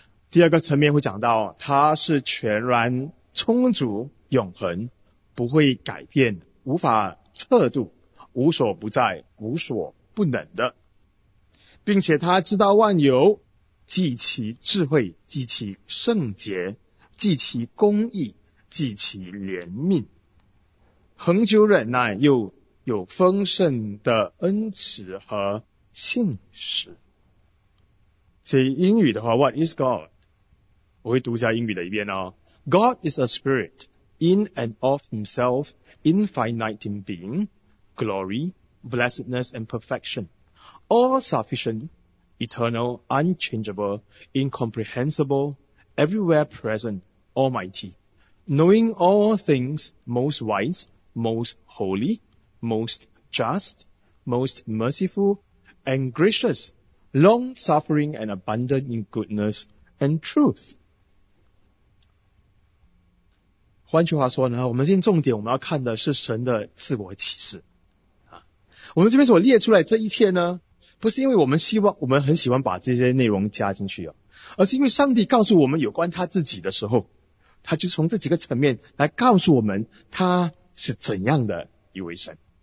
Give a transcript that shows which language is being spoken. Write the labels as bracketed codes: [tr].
[zh] 第二个层面会讲到他是全然充足、永恒，不会改变、无法测度、无所不在、无所不能的，并且他知道万有，即其智慧，即其圣洁，即其公义，即其怜悯，恒久忍耐，又有丰盛的恩慈和信实。所以英语的话 [en] What is God? [zh] 我会读一下英语的一遍哦。 [en] God is a spirit in and of himself, infinite in being, glory, blessedness and perfection, all sufficient, eternal, unchangeable, incomprehensible, everywhere present, almighty, knowing all things, most wise,Most holy, most just, most merciful and gracious, long suffering and abundant in goodness and truth. [zh] 换句话说呢，我们今天重点我们要看的是神的自我启示。我们这边所列出来这一切呢，不是因为我们很喜欢把这些内容加进去，而是因为上帝告诉我们有关他自己的时候，他就从这几个层面来告诉我们他是怎样的一位神。